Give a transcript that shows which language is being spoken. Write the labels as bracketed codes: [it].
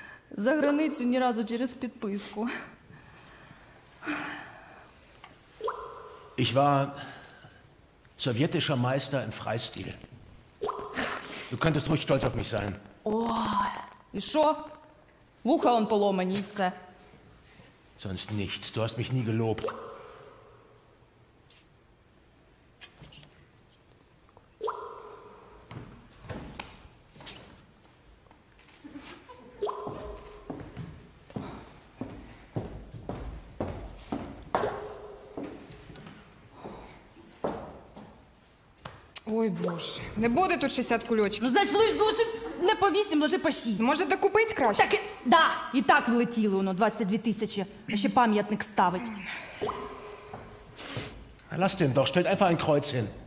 [uk] За границю ні разу через підписку. [de] Ich war sowjetischer Meister im Freistil. Du könntest ruhig stolz auf mich sein. [uk] Ой, і що? Вуха он поломані і все. [de] Sonst nichts. Du hast mich nie gelobt. [uk] Ой, Боже, не буде тут 60 кульочків. Ну, значить, лиш душим не по 8, лише по 6. Може, докупити краще? Так, да, і так влетіло воно, 22 тисячі. А ще пам'ятник ставить. [de] Lass den doch, stellt einfach ein Kreuz hin.